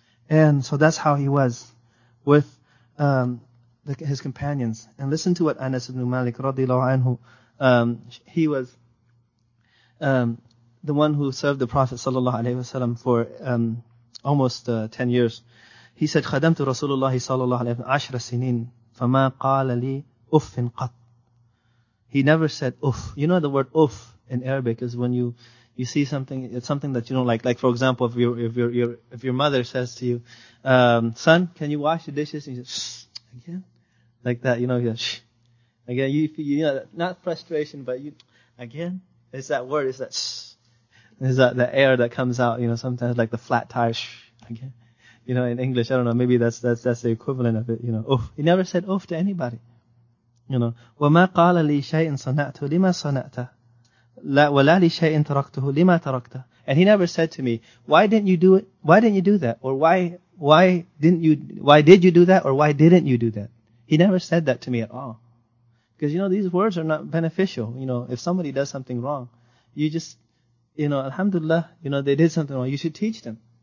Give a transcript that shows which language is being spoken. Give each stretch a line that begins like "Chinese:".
English: And so that's how he was with his companions. And listen to what Anas ibn Malik radiallahu anhu, he was the one who served the Prophet sallallahu alaihi wasallam for almost 10 years. He said,
Arabic: خَدَمْتُ رَسُولُ اللَّهِ صَلَى اللَّهُ عَلَيْهِ وَسَلَمْ عَشْرَ سِنِينَ فَمَا قَالَ لِي أُفٍ قَطْ.
English: He never said uff. You know the word uff in Arabic is when you see something, it's something that you don't like. Like for example, if your mother says to you, son, can you wash the dishes? And you say, shh, again? Like that, you know, you go, shh. Again, you know, not frustration, but you, again? It's that word, it's that shh. It's that the air that comes out, you know, sometimes like the flat tire, shh, again. You know, in English, I don't know, maybe that's the equivalent of it, you know, uff. He never said uff to anybody. You know,
Arabic: وَمَا قَالَ لِي شَيْءٍ صَنَعْتُهُ لِمَا صَنَعْتَ وَلَا لِي شَيْءٍ تَرَكْتُهُ لِمَا تَرَكْتَ.
English: And he never said to me, why didn't you do it? Why didn't you do that? Or why did you do that? Or why didn't you do that? He never said that to me at all. Because, you know, these words are not beneficial. You know, if somebody does something wrong, you just, you know, alhamdulillah, you know, they did something wrong. You should teach them.